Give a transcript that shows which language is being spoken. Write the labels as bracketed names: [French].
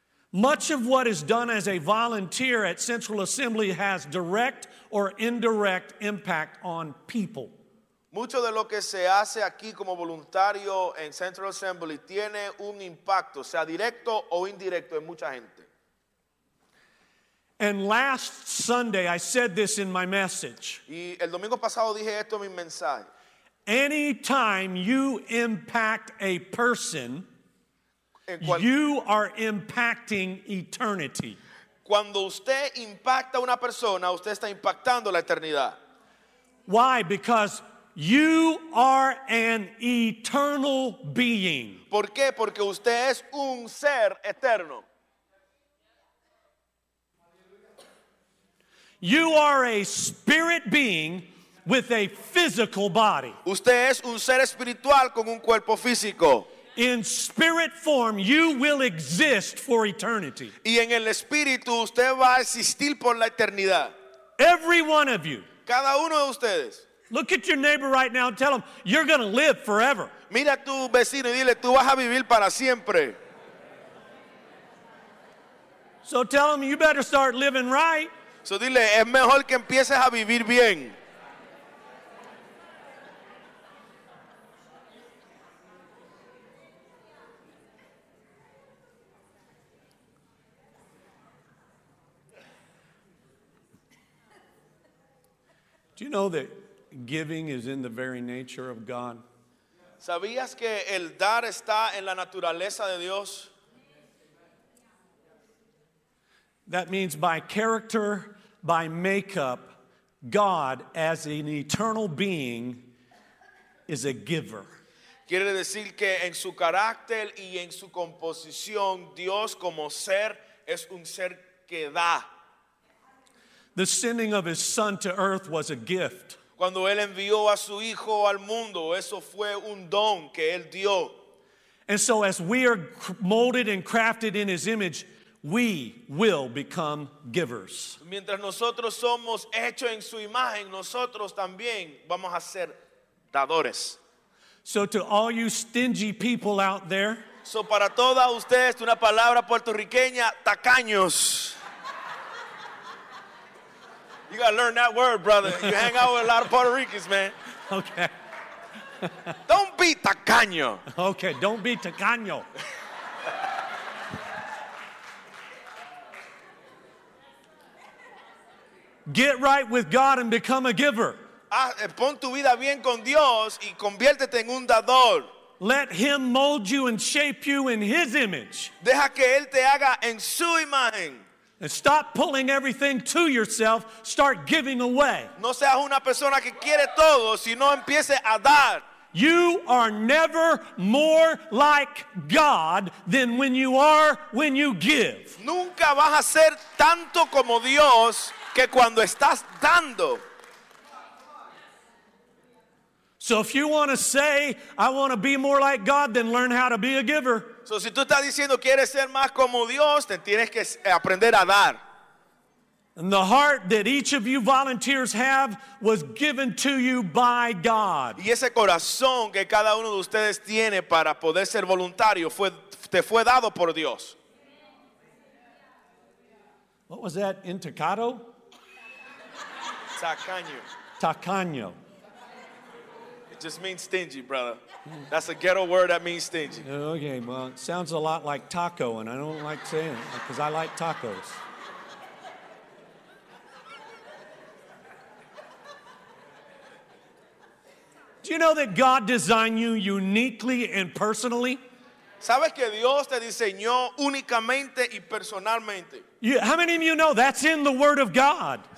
[English] Much of what is done as a volunteer at Central Assembly has direct or indirect impact on people. [Spanish] Mucho de lo que se hace aquí como voluntario en Central Assembly tiene un impacto, sea directo o indirecto, en mucha gente. [English] And last Sunday I said this in my message. [Spanish] Y el domingo pasado dije esto en mi mensaje. [English] Anytime you impact a person, you are impacting eternity. [Spanish] Cuando usted impacta a una persona, usted está impactando la eternidad. [English] Why? Because you are an eternal being. [Spanish] ¿Por qué? Porque usted es un ser eterno. [English] You are a spirit being with a physical body. [Spanish] Usted es un ser espiritual con un cuerpo físico. [English] In spirit form, you will exist for eternity. [Spanish] Y en el espíritu, usted va a existir por la eternidad. [English] Every one of you. [Spanish] Cada uno de ustedes. [English] Look at your neighbor right now and tell him, you're going to live forever. [Spanish] Mira a tu vecino y dile, tú vas a vivir para siempre. [English] So tell him, you better start living right. [Spanish] So dile, es mejor que empieces a vivir bien. [English] Do you know that giving is in the very nature of God? [Spanish] ¿Sabías que el dar está en la naturaleza de Dios? [English] That means by character, by makeup, God as an eternal being is a giver. [Spanish] Quiere decir que en su carácter y en su composición, Dios como ser es un ser que da. [English] The sending of his son to earth was a gift. [Spanish] Cuando él envió a su hijo al mundo, eso fue un don que él dio. [English] And so as we are molded and crafted in his image, we will become givers. [Spanish] Mientras nosotros somos hechos en su imagen, nosotros también vamos a ser dadores. [English] So to all you stingy people out there, [Spanish] so para todas ustedes, una palabra puertorriqueña, tacaños. [English] You gotta learn that word, brother. You hang out with a lot of Puerto Ricans, man. Okay. Don't be tacaño. Okay, don't be tacaño. Get right with God and become a giver. [Spanish] Pon tu vida bien con Dios y conviértete en un dador. [English] Let him mold you and shape you in his image. [Spanish] Deja que él te haga en su imagen. [English] And stop pulling everything to yourself. Start giving away. [Spanish] No seas una persona que quiere todo, sino empiece a dar. [English] You are never more like God than when you are when you give. [Spanish] Nunca vas a ser tanto como Dios que cuando estás dando. [English] So if you want to say, I want to be more like God, then learn how to be a giver. [Spanish] So si tú estás diciendo quieres ser más como Dios, te tienes que aprender a dar. [English] And the heart that each of you volunteers have was given to you by God. [Spanish] Y ese corazón que cada uno de ustedes tiene para poder ser voluntario te fue dado por Dios. [English] What was that? Intacado? [Spanish] Tacaño. Tacaño. [English] It just means stingy, brother. That's a ghetto word that means stingy. Okay, well, it sounds a lot like taco, and I don't like saying it because I like tacos. Do you know that God designed you uniquely and personally? [Spanish] ¿Sabes que Dios te diseñó únicamente y personalmente? [English] How many of you know that's in the Word of God?